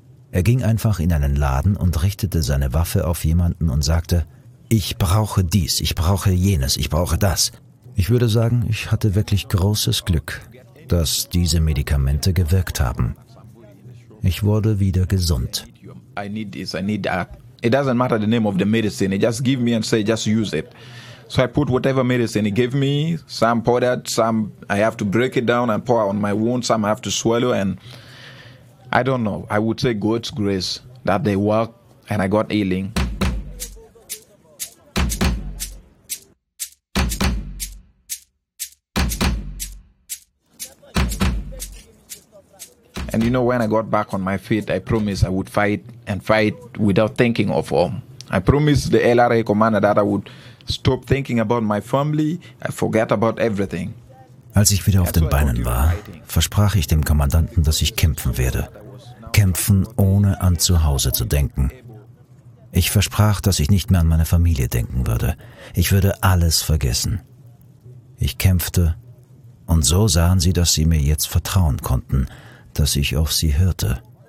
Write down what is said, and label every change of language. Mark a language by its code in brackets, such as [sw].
[de] Er ging einfach in einen Laden und richtete seine Waffe auf jemanden und sagte, ich brauche dies, ich brauche jenes, ich brauche das. Ich würde sagen, ich hatte wirklich großes Glück, dass diese Medikamente gewirkt haben. Ich wurde wieder gesund. [en] I need this, I need that. It doesn't matter the name of the medicine, just give me and say, just use it. So I put whatever medicine he gave me, some powdered, some I have to break it down and pour on my wound, some I have to swallow, and I don't know. I would say God's grace that they work and I got healing. And you know, when I got back on my feet, I promised I would fight and fight without thinking of home. I promised the LRA commander that I would stop thinking about my family, I forget about everything. [de] Als ich wieder auf den Beinen war, versprach ich dem Kommandanten, dass ich kämpfen werde. Kämpfen, ohne an zu Hause zu denken. Ich versprach, dass ich nicht mehr an meine Familie denken würde. Ich würde alles vergessen. Ich kämpfte, und so sahen sie, dass sie mir jetzt vertrauen konnten, dass ich auf sie hörte.